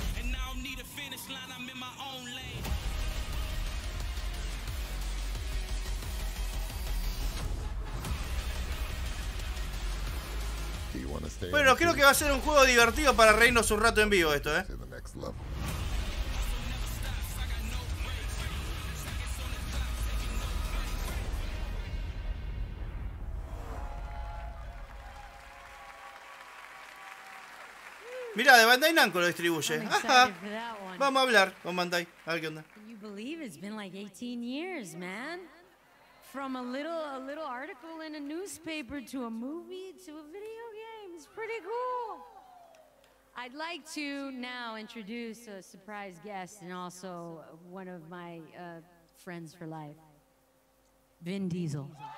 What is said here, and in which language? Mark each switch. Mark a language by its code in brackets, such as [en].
[en] And now I need a finish line, I'm in my own lane. Do you want to stay? [es] Bueno, creo que va a ser un juego divertido para reírnos un rato en vivo esto, eh. Mira, de Bandai Namco lo distribuye. Ajá. Vamos a hablar con Bandai, a ver qué onda. [en] Can you believe it's been like 18 years, man? From a little article in a newspaper to a movie to a video game. It's pretty cool. I'd like to now introduce a surprise guest and also one of my friends for life. Vin Diesel.